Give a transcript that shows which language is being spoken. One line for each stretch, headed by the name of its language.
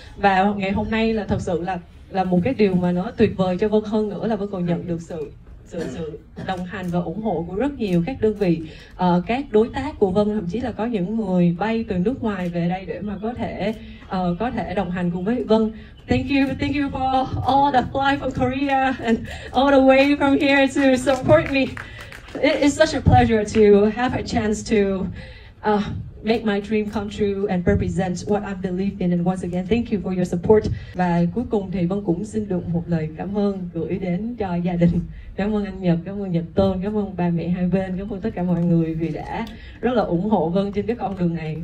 Vietnamese: Và ngày hôm nay là thật sự là một cái điều mà nó tuyệt vời cho Vân hơn nữa là Vân còn nhận được sự đồng hành và ủng hộ của rất nhiều các đơn vị, các đối tác của Vân, thậm chí là có những người bay từ nước ngoài về đây để mà có thể đồng hành cùng với Vân.
English: Thank you for all the fly from Korea and all the way from here to support me. It's such a pleasure to have a chance to make my dream come true and represent what I believe in. And once again, thank you for your support.
Vietnamese: Và cuối cùng thì Vân cũng xin được một lời cảm ơn gửi đến cho gia đình. Cảm ơn anh Nhật, cảm ơn Nhật Tôn, cảm ơn ba mẹ hai bên, cảm ơn tất cả mọi người vì đã rất là ủng hộ Vân trên cái con đường này.